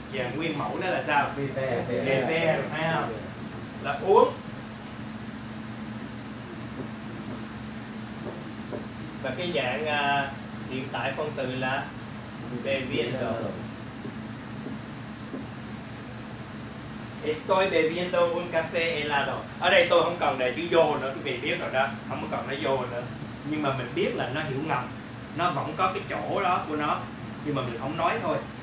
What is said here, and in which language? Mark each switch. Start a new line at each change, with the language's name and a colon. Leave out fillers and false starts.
Vietnamese: Dạng nguyên mẫu nó là sao?
Spanish: Beber,
Vietnamese: phải không? Là uống. Và cái dạng hiện tại phân từ là bebiendo.
Spanish: Estoy bebiendo un café helado.
Vietnamese: Ở đây tôi không cần để chữ vô nữa, quý vị biết rồi đó. Không cần nó vô nữa. Nhưng mà mình biết là nó hiểu ngầm. Nó vẫn có cái chỗ đó của nó. Nhưng mà mình không nói thôi.